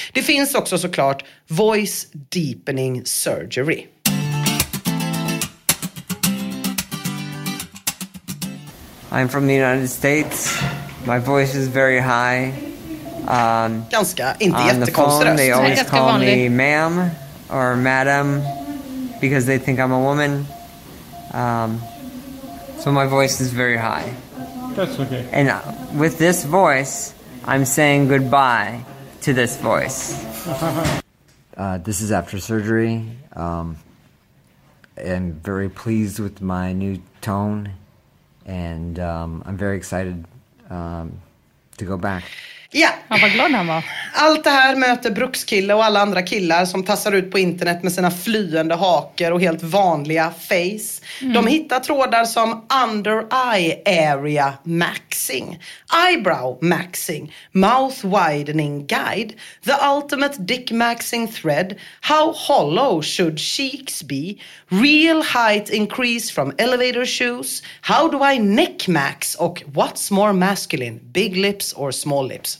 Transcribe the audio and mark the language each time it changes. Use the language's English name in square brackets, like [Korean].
[Swedish] Det finns också såklart [English] voice deepening surgery. I'm from the United States. My voice is very high. [Swedish] Ganska, inte jättekonstig röst. [English] They always call me ma'am or madam because they think I'm a woman. So my voice is very high. That's okay. And with this voice, I'm saying goodbye to this voice. This is after surgery. I'm very pleased with my new tone. And I'm very excited to go back. [Swedish] Ja. Han var glad han var. Allt det här möter brukskille och alla andra killar som tassar ut på internet med sina flyende haker och helt vanliga face. Mm. De hittar trådar som [English] under eye area maxing, eyebrow maxing, mouth widening guide, the ultimate dick maxing thread, how hollow should cheeks be, real height increase from elevator shoes, how do I neck max [Swedish] och [English] what's more masculine, big lips or small lips.